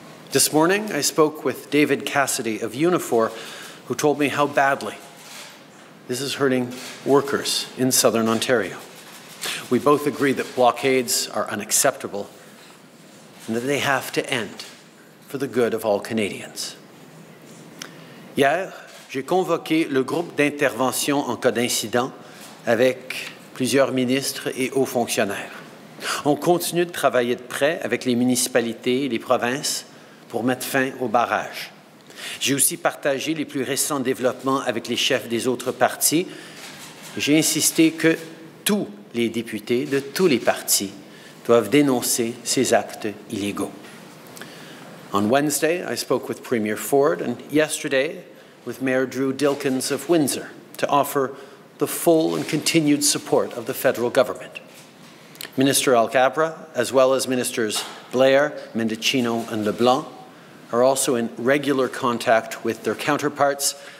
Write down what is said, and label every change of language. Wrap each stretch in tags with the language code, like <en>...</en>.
<en>This morning, I spoke with David Cassidy of Unifor, who told me how badly this is hurting workers in southern Ontario. We both agree that blockades are unacceptable and that they have to end for the good of all Canadians.</en> <fr>Hier, j'ai convoqué le groupe d'intervention en cas d'incident avec plusieurs ministres et hauts fonctionnaires. On continue de travailler de près avec les municipalités et les provinces pour mettre fin au barrage. J'ai aussi partagé les plus récents développements avec les chefs des autres partis. J'ai insisté que tous les députés de tous les partis doivent dénoncer ces actes illégaux.</fr> <en>On Wednesday, I spoke with Premier Ford, and yesterday with Mayor Drew Dilkins of Windsor to offer the full and continued support of the federal government. Minister Alcabra, as well as Ministers Blair, Mendicino and LeBlanc, are also in regular contact with their counterparts.</en>